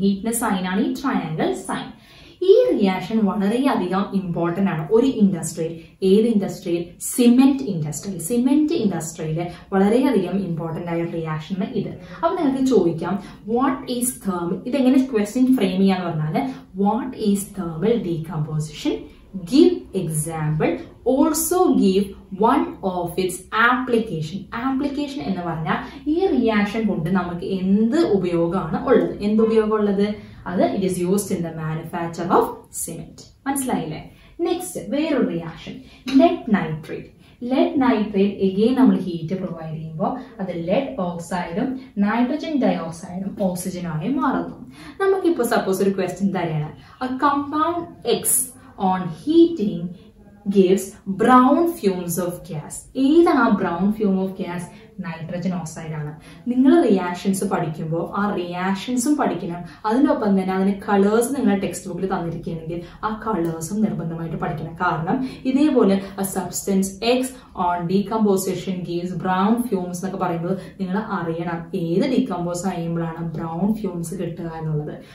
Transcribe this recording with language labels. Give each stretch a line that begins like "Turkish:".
Malayalam: ഹീറ്റിന്റെ sign ആണ് ഈ triangle sign. ഈ റിയാക്ഷൻ വളരെയധികം ഇമ്പോർട്ടൻ്റ് ആണ് ഒരു ഇൻഡസ്ട്രിയിൽ. ഏത് ഇൻഡസ്ട്രിയിൽ? സിമെന്റ് ഇൻഡസ്ട്രിയിൽ. സിമെന്റ് ഇൻഡസ്ട്രിയിൽ വളരെയധികം ഇമ്പോർട്ടൻ്റ് ആയ റിയാക്ഷൻ ആണ് ഇത്. അപ്പോൾ നിങ്ങൾക്ക് ചോദിക്കാം, വാട്ട് ഈസ് തേർമൽ? ഇതെങ്ങനെ ക്വസ്റ്റ്യൻ ഫ്രെയിം ചെയ്യാന്ന് പറഞ്ഞാൽ,
English: What is thermal decomposition? Give example, also give one of its application.
Malayalam: Application എന്ന് പറഞ്ഞാൽ ഈ റിയാക്ഷൻ കൊണ്ട് നമുക്ക് എന്ത് ഉപയോഗമാണ് ഉള്ളത്, എന്ത് ഉപയോഗമുള്ളത്? അത്
English: It is used in the manufacture of cement.
Malayalam: മനസ്സിലായില്ലേ? നെക്സ്റ്റ് വേറൊരു reaction, lead nitrate. Lead nitrate again നമ്മൾ ഹീറ്റ് പ്രൊവൈഡ് ചെയ്യുമ്പോൾ അത് ലെഡ് ഓക്സൈഡും നൈട്രജൻ ഡയോക്സൈഡും ഓക്സിജനായി മാറുന്നു. നമുക്കിപ്പോൾ സപ്പോസ് ഒരു ക്വസ്റ്റ്യൻ തരാണ്,
English: a compound X on heating gives brown fumes of gas.
Malayalam: ഏതാണ് brown fume of gas? Nitrogen oxide ആണ്. നിങ്ങൾ റിയാക്ഷൻസ് പഠിക്കുമ്പോൾ ആ റിയാക്ഷൻസും പഠിക്കണം, അതിനൊപ്പം തന്നെ അതിന് കളേഴ്സ് നിങ്ങൾ ടെക്സ്റ്റ് ബുക്കിൽ തന്നിരിക്കുകയാണെങ്കിൽ ആ കളേഴ്സും നിർബന്ധമായിട്ട് പഠിക്കണം. കാരണം ഇതേപോലെ
English: a substance X on decomposition gives brown fumes
Malayalam: എന്നൊക്കെ പറയുമ്പോൾ നിങ്ങൾ അറിയണം ഏത് ഡീകമ്പോസ് ചെയ്യുമ്പോഴാണ് ബ്രൗൺ ഫ്യൂംസ് കിട്ടുക എന്നുള്ളത്.